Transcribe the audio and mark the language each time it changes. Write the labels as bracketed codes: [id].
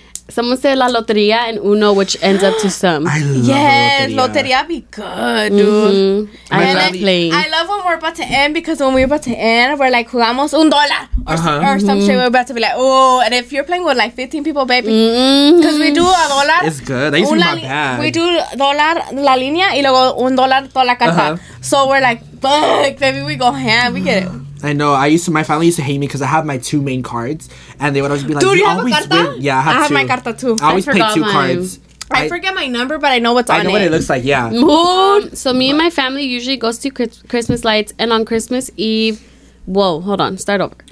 [en] Someone said La Lotería and Uno, which ends up to some. I love yes, La Lotería. Yes, Lotería be good, dude. Mm-hmm. I love when we're about to end because when we're about to end, we're like, [es] jugamos un dólar [en] or, uh-huh. Or some mm-hmm. Shit. We're about to be like, oh, and if you're playing with like 15 people, baby, because mm-hmm. We do a dólar. It's good. I used to be my bag. We do [es] dólar la línea y luego un dólar toda la carta. [en] Uh-huh. So we're like, fuck, baby, we go ham. We get it. I know. My family used to hate me because I have my two main cards, and they would always be like, "Dude, you always have a carta?" Yeah, I have two. I have my carta too. I always play two cards. I forget my number, but I know what's on it. I know what it looks like. Yeah. Moon. So me and my family usually goes to Christmas lights, and on Christmas Eve. Whoa, hold on. Start over.